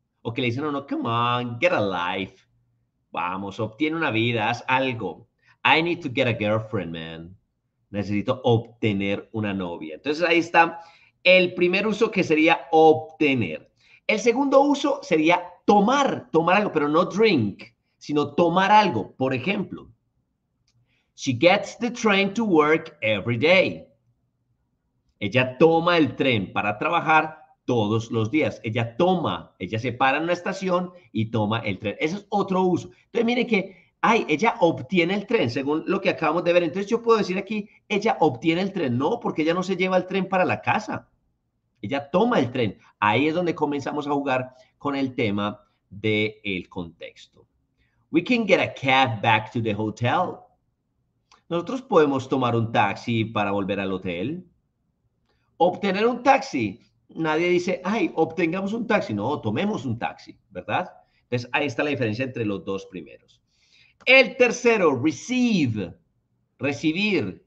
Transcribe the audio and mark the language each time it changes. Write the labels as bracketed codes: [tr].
[es] O que le dicen, no, no, [en] come on, get a life. [es] Vamos, obtiene una vida, haz algo. [en] I need to get a girlfriend, man. [es] Necesito obtener una novia. Entonces ahí está el primer uso que sería obtener. El segundo uso sería tomar algo, pero no drink, sino tomar algo. Por ejemplo, [en] she gets the train to work every day. [es] Ella toma el tren para trabajar todos los días. Ella se para en una estación y toma el tren. Ese es otro uso. Entonces, mire que, ay, ella obtiene el tren, según lo que acabamos de ver. Entonces, yo puedo decir aquí, ella obtiene el tren. No, porque ella no se lleva el tren para la casa. Ella toma el tren. Ahí es donde comenzamos a jugar con el tema del contexto. [en] We can get a cab back to the hotel. [es] Nosotros podemos tomar un taxi para volver al hotel. Obtener un taxi. Nadie dice, ay, obtengamos un taxi. No, tomemos un taxi, ¿verdad? Entonces, ahí está la diferencia entre los dos primeros. El tercero, receive. Recibir.